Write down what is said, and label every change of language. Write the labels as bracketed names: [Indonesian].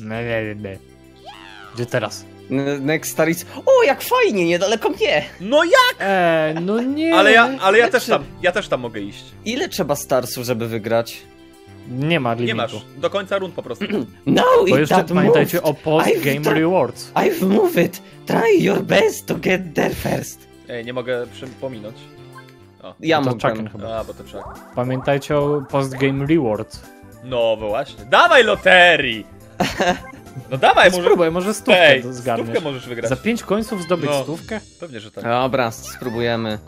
[Polish] Nie. Gdzie teraz? [English] Next star is... [Polish] O, jak fajnie, niedaleko mnie! No jak?! No nie... Ale ja też tam, mogę iść. Ile trzeba starsów, żeby wygrać? Nie ma limitu. Nie masz, do końca rund po prostu. No i jeszcze pamiętajcie o post-game rewards. [English] I've moved! Try your best to get there first! [Polish] Ej, nie mogę przypominać. Ja mogę. Bo to Chucken. Pamiętajcie o post-game rewards. No właśnie, dawaj loterii! No dawaj, spróbuj, może stówkę zgarniesz. Stówkę możesz wygrać. Za 5 końców zdobyć stówkę? Pewnie, że tak. Dobra, spróbujemy.